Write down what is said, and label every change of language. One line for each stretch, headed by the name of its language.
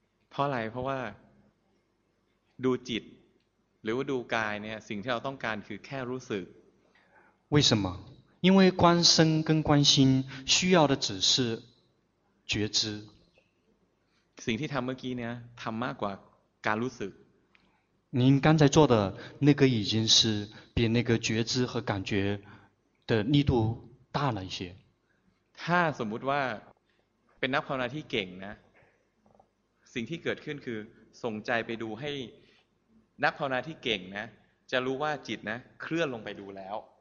Thai: เพราะอะไรเพราะว่าดูจิตหรือว่าดูกายเนี่ยสิ่งที่เราต้องการคือแค่รู้สึก
Chinese: 为什么因为观身跟观心需要的只是觉知。
Thai: สิ่งที่ทำเมื่อกี้เนี่ยทำมากกว่าการรู้สึก。
Chinese: 您刚才做的那个已经是比那个觉知和感觉的力度大了一些。
Thai: ถ้าสมมุติว่าเป็นนักภาวนาที่เก่งนะสิ่งที่เกิดขึ้นคือส่งใจไปดูให้นักภาวนาที่เก่งนะจะรู้ว่าจิตนะเคลื่อนลงไปดูแล้ว